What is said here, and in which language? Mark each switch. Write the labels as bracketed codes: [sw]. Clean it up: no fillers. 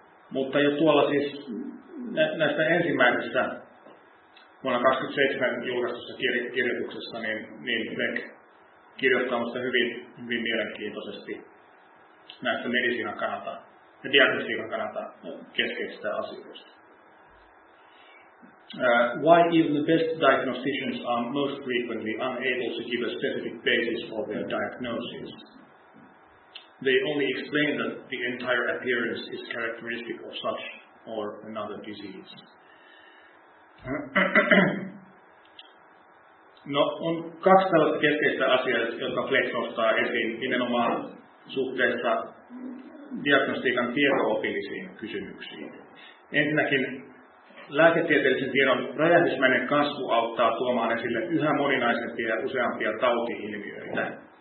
[fi] Mutta jo tuolla siis näistä ensimmäisistä vuonna 1927 julkaistussa kirjoituksessa, niin Kleck kirjoittamassa hyvin mielenkiintoisesti näistä medisiinan kannalta ja diagnostiikan kannalta keskeisistä asioista. [en] Why even the best diagnosticians are most frequently unable to give a specific basis for their diagnosis? They only explain that the entire appearance is characteristic of such or another disease. [fi] No, on kaksi tällaista keskeistä asiaa, jotka Kleck nostaa esiin nimenomaan suhteessa diagnostiikan tieto-opillisiin kysymyksiin. Ensinnäkin lääketieteellisen tiedon räjähdysmäinen kasvu auttaa tuomaan esille yhä moninaisempia ja useampia tauti-ilmiöitä.